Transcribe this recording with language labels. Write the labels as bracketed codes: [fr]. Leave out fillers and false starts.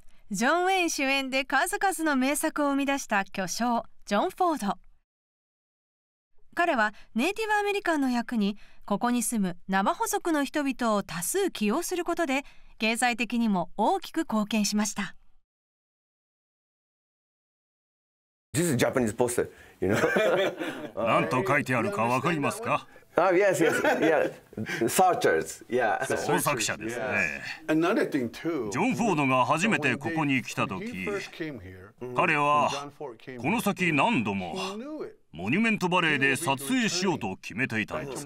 [ja] ジョン・ウェイン主演で数々の名作を生み出した巨匠ジョン・フォード、彼はネイティブアメリカンの役にここに住むナバホ族の人々を多数起用することで経済的にも大きく貢献しました。 [en] This is Japanese poster, you know? [ja] 何と書いてあるか分かりますか？ [en] Oh, yes, yes, yeah. Searchers, yeah. [ja] 捜索者ですね。ジョン・フォードが初めてここに来た時、彼はこの先何度もモニュメントバレーで撮影しようと決めていたんです。